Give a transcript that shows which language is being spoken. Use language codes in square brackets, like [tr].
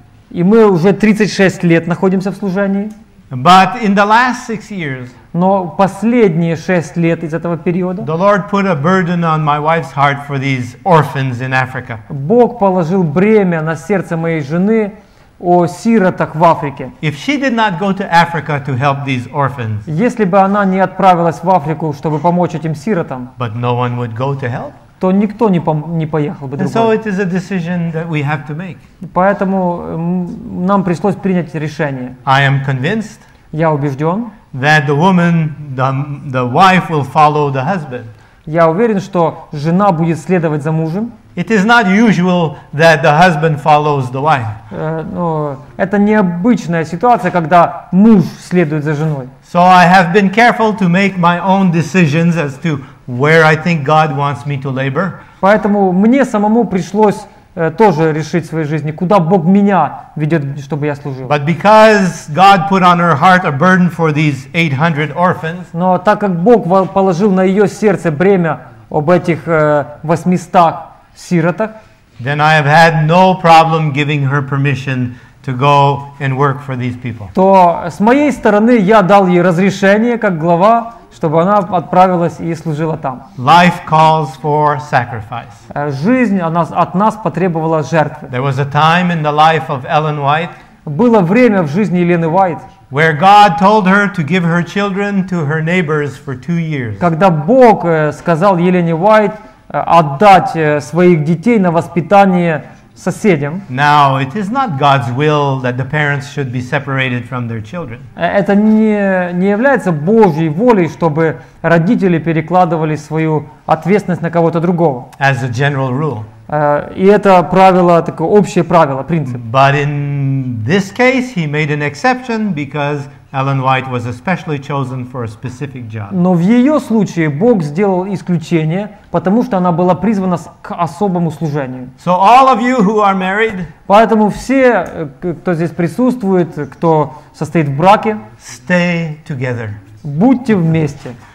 [ru] И мы уже 36 лет находимся в служении. [en] But in the last 6 years, [ru] но последние 6 лет из этого периода, [en] the Lord put a burden on my wife's heart for these orphans in Africa. [ru] Бог положил бремя на сердце моей жены о сиротах в Африке. [en] If she did not go to Africa to help these orphans, [ru] если бы она не отправилась в Африку, чтобы помочь этим сиротам, [en] but no one would go to help, [ru] то никто не поехал бы другой. [en] So it is a decision that we have to make. [ru] Поэтому нам пришлось принять решение. [en] I am convinced. [ru] Я убежден. [en] That the woman, the wife will follow the husband. [ru] Я уверен, что жена будет следовать за мужем. [en] It is not usual that the husband follows the wife. [ru] Но это необычная ситуация, когда муж следует за женой. [en] So I have been careful to make my own decisions as to where I think God wants me to labor. [ru] Поэтому мне самому пришлось тоже решить в своей жизни, куда Бог меня ведет, чтобы я служил. [en] But because God put on her heart a burden for these 800 orphans, [ru] но так как Бог положил на ее сердце бремя об этих 800 сиротах, [en] then I have had no problem giving her permission to go and work for these people. [ru] То с моей стороны я дал ей разрешение как глава, чтобы она отправилась и служила там. [en] Life calls for sacrifice. [ru] Жизнь от нас потребовала жертвы. [en] There was a time in the life of Ellen White. [ru] Было время в жизни Елены Уайт, [en] where God told her to give her children to her neighbors for 2 years. [ru] Когда Бог сказал Елене Уайт отдать своих детей на воспитание соседям. [en] Now, it is not God's will that the parents should be separated from their children. [ru] Это не является Божьей волей, чтобы родители перекладывали свою ответственность на кого-то другого. [en] As a general rule. [ru] И это правило, такое общее правило, принцип. [en] But in this case, he made an exception because Ellen White was especially chosen for a specific job. [ru] Но в ее случае Бог сделал исключение, потому что она была призвана к особому служению. [en] So all of you who are married, [ru] поэтому все, кто здесь присутствует, кто состоит в браке, [en] stay together. [ru] Будьте вместе.